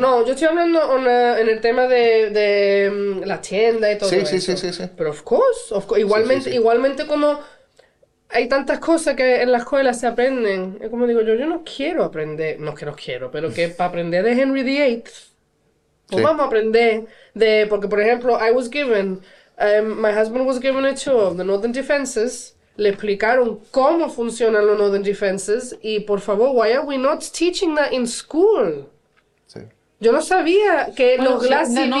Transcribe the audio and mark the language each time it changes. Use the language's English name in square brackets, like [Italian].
[Spanish] No, yo estoy hablando en el tema de la tienda y todo sí, eso. Sí, sí, sí, sí. Pero of course igualmente, sí, sí, sí. Igualmente como... Hay tantas cosas que en la escuela se aprenden. Es como digo yo no quiero aprender, no es que no quiero, pero que para aprender de Henry VIII, pues sí. Vamos a aprender de... Porque, por ejemplo, [English] I was given... my husband was given a tour of the Northern Defenses. [Spanish] Le explicaron cómo funcionan los Northern Defenses. Y, por favor, [English] why are we not teaching that in school? [Spanish] Sí. Yo no sabía que bueno, los glasses no.